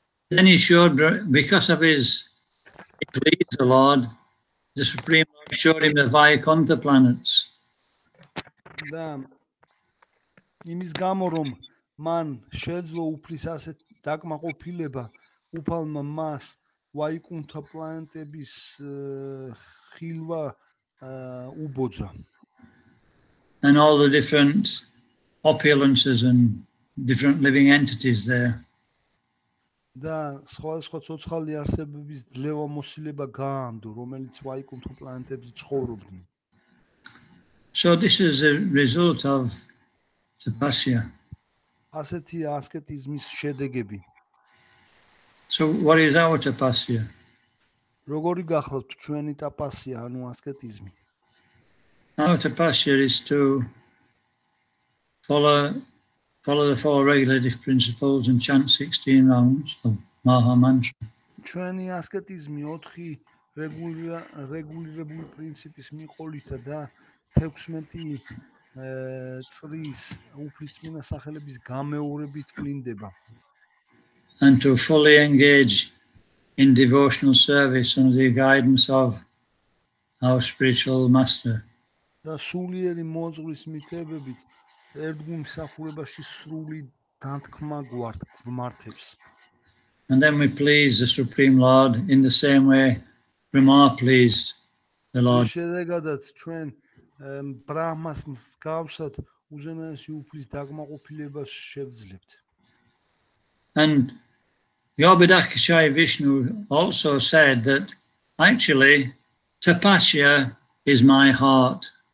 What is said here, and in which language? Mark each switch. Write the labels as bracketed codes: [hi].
[en] Then he showed, because of his he pleased the Lord, the Supreme Lord showed him the Vaikuntha planets. [ru] Да. [ka] იმის გამო რომ მან შეძლო უფლის ასეთ დაკმაყოფილება უფალმა მას ვაიკუნთა პლანეტების ხილვა უბოძა [en] and all the different opulences and different living entities there [ka] და სხვადასხვა ცოცხალი არსებების ძლევა მოსილება გაანდო რომელიც ვაიკუნთა პლანეტებზე ცხოვრობდნენ [en] so this is a result of tapasya [ka] ასეთი ასკეტიზმის შედეგები [en] so what is our tapasya [ka] როგორი გახლავთ ჩვენი ტაპასია ანუ ასკეტიზმი [en] our tapasya is to follow the four regulative principles and chant 16 rounds of maha mantra [ka] ჩვენი ასკეტიზმი 4 რეგულირებული პრინციპის მიყოლით და 16 წრის უფლისწმინდა სახელების გამეორების წინდება [en] and to fully engage in devotional service under the guidance of our spiritual master [ka] და სულიერი მოძღვრის მიხედვით ერთგულ მსახურებაში სრული დათქმა გვართ მართებს [en] and then we please the supreme lord in the same way remar please the lord [ka] შედეგადაც ჩვენ ბრაჰმას მსგავსად უზენაესი უფლის დაკმაყოფილებას შევძლებთ [en] and Yobidakshay Vishnu also said that actually tapasya is my heart.